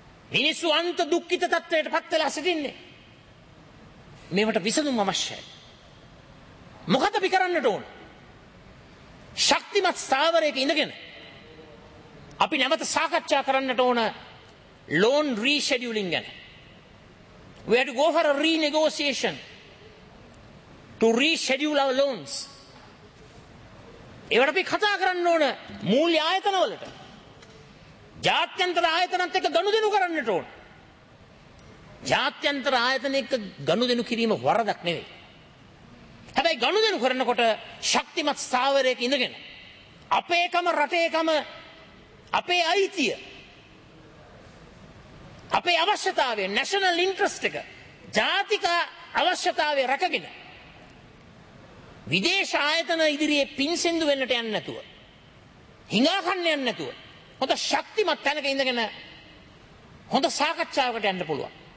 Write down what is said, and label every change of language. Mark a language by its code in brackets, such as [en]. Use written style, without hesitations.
[si] මිනිස්සු අන්ත දුක්ඛිත තත්ත්වයට පත් වෙලා සිටින්නේ. මේවට විසඳුම් අවශ්‍යයි. මොකද අපි කරන්නට ඕන? ශක්තිමත් ස්ථාවරයක ඉඳගෙන අපි නැවත සාකච්ඡා කරන්නට ඕන ලෝන් රීෂෙඩියුලින් ගැන. [en] We have to go for a renegotiation to reschedule our loans. [si] ඒවට අපි කතා කරන්න ඕන මූල්‍ය ආයතනවලට. ජාත්‍යන්තර ආයතනත් එක්ක ගනුදෙනු කරන්නට ඕන. ජාත්‍යන්තර ආයතන එක්ක ගනුදෙනු කිරීම වරදක් නෙවෙයි. හැබැයි ගනුදෙනු කරනකොට ශක්තිමත් ස්ථාවරයක ඉඳගෙන අපේකම රටේකම අපේ අයිතිය අපේ අවශ්‍යතාවය නැෂනල් ඉන්ට්‍රස්ට් එක ජාතික අවශ්‍යතාවය රැකගෙන විදේශ ආයතන ඉදිරියේ පින්සෙන්දු වෙන්නට යන්නේ නැතුව හිඟා කන්න යන්නේ නැතුව හොඳ ශක්තිමත් තැනක ඉඳගෙන හොඳ සාකච්ඡාවකට යන්න පුළුවන්.